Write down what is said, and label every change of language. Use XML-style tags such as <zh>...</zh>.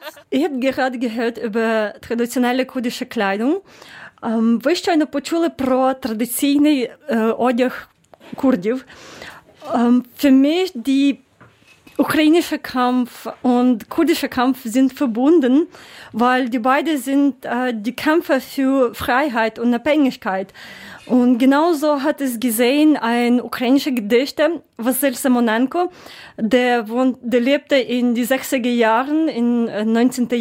<de>Ich habe gerade gehört über traditionelle kurdische Kleidung.</de> <uk>Ви щойно почули про традиційний одяг курдів.</uk> <de>Für mich die ukrainische Kampf und kurdische Kampf sind verbunden, weil die beide sind die Kämpfer für Freiheit und Unabhängigkeit. Und genauso hat es gesehen ein ukrainischer Gedichter, Vasil Simonenko, der lebte in die 60er Jahren, im 19.</de>